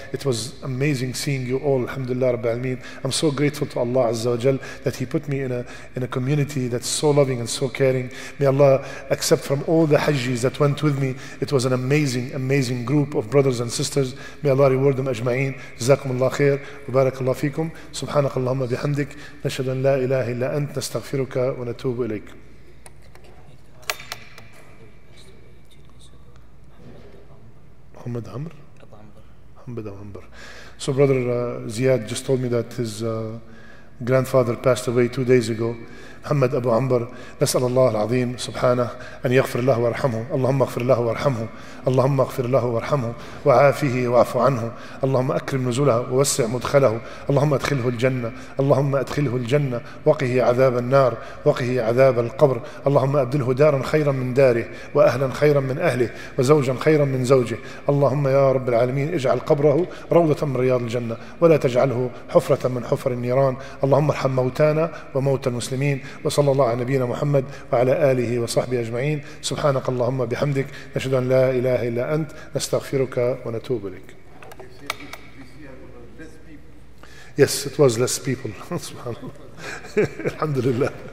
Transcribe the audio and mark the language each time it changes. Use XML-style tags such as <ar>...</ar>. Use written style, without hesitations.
<en>It was amazing seeing you all, Alhamdulillah, Rabbil Alameen. I'm so grateful to Allah Azza wa Jal that he put me in a community that's so loving and so caring. May Allah accept from all the hajjis that went with me. It was an amazing, amazing group of brothers and sisters. May Allah reward them ajma'een. Jazakum Allah khair.</en> <ar>Barakallah فيكم سبحانك اللهم بحمدك نشهد أن لا إله إلا أنت نستغفرك ونتوب إليك. محمد عمر محمد عمر.</ar> <en>So brother Ziyad just told me that his grandfather passed away 2 days ago.</en> <ar>محمد أبو عمبر. نسأل الله العظيم سبحانه أن يغفر له ورحمه. اللهم اغفر له ورحمه. اللهم اغفر له ورحمه وعافه واعف عنه. اللهم أكرم نزله ووسع مدخله. اللهم أدخله الجنة. اللهم أدخله الجنة. وقه عذاب النار. وقه عذاب القبر. اللهم أبدله دارا خيرا من داره وأهلا خيرا من أهله وزوجا خيرا من زوجه. اللهم يا رب العالمين اجعل قبره روضة من رياض الجنة ولا تجعله حفرة من حفر النيران. اللهم ارحم موتانا وموتى المسلمين. وصلى الله على نبينا محمد وعلى آله وصحبه أجمعين. سبحانك اللهم بحمدك نشهد أن لا إله إلا أنت نستغفرك ونتوب إليك.</ar> <en>Yes, it was less people.</en> <ar>سبحان الله. الحمد لله.</ar>